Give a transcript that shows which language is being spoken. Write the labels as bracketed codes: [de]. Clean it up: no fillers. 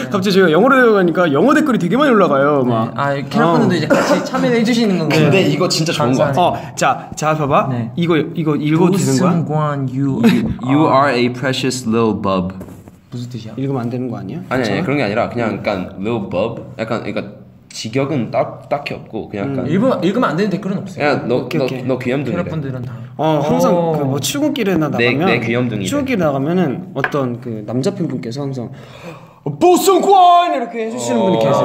[ko] 갑자기 제가 영어로 배워가니까 영어 댓글이 되게 많이 올라가요. 네. 막 아 캐럿분들도 이제 같이 참여를 해주시는 건가요? 근데 이거 진짜 좋은 거 같아. 자 봐봐. 네. 이거 읽어도 되는 거야? 도승관 [en] you are a precious little bub. [ko] 무슨 뜻이야? 읽으면 안 되는 거 아니야? 아니 그런 게 아니라 그냥 약간 little bub 약간 그러니까 직역은 딱히 없고 그냥 약간 읽으면 안 되는 댓글은 없어요. 야 너 귀염둥이. 캐럿분들은 다. 항상 그 뭐 출근길에나 나가면 내 귀염둥이 출근길 나가면은 어떤 그 남자 팬분께서 항상 보승관 이렇게 해주시는 분이 계세요.